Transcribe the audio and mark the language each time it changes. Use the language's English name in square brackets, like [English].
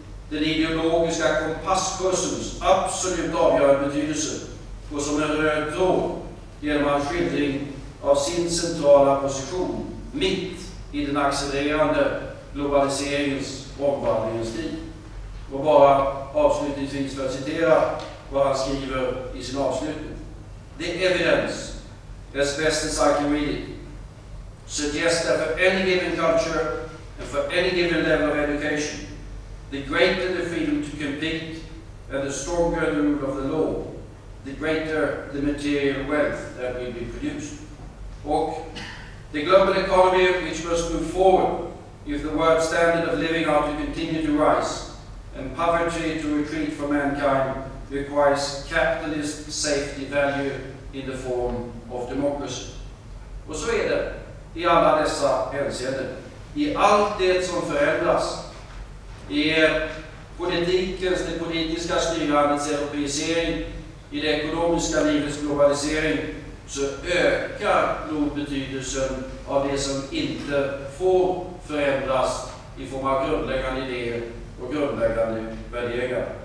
[Swedish] Den ideologiska kompasskursens absolut avgörande betydelse går som en röd tråd genom hans skildring av sin centrala position mitt i den accelererande globaliseringens omvandlingens tid. Och bara avslutningsvis för att citera vad han skriver i sin avslutning. [English] The evidence, as best as I can read it, suggests that for any given culture and for any given level of education, the greater the freedom to compete and the stronger the rule of the law, the greater the material wealth that will be produced. Och the global economy, which must move forward if the world standard of living are to continue to rise and poverty to retreat for mankind, requires capitalist safety value in the form of democracy. [Swedish] Och så är det i alla dessa hänseenden. I allt det som förändras i politikens, det politiska styrandets europeisering, i det ekonomiska livets globalisering, så ökar nog betydelsen av det som inte får förändras i form av grundläggande idéer och grundläggande värderingar.